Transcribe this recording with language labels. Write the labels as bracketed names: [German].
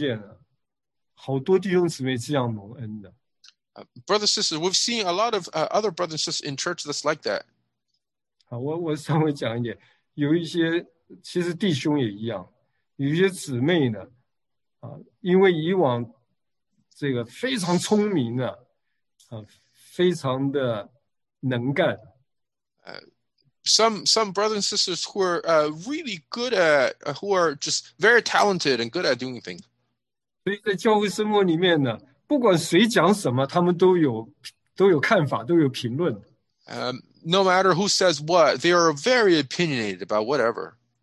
[Chinese] 在教会里面我们看见了好多弟兄姊妹这样蒙恩的。 [English] Brothers and sisters, we've seen a lot of other brothers and sisters in church that's like that. [Chinese] 我稍微讲一点有一些其实弟兄也一样有些姊妹呢因为以往这个非常聪明的非常的能干。 [English] Some brothers and sisters who are really good at, who are just very talented and good at doing things. [Chinese] 所以在教会生活里面呢, 不管谁讲什么, 他们都有看法, 都有评论。 [English] No matter who says what, they are very opinionated about whatever.